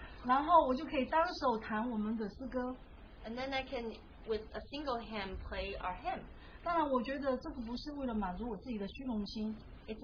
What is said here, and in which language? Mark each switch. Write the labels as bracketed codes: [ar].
[zh] 然后我就可以单手弹我们的诗歌。And [en] then I can, with a single hand, play our hymn. [zh] 当然我觉得这个不是为了满足我自己的虚荣心。It's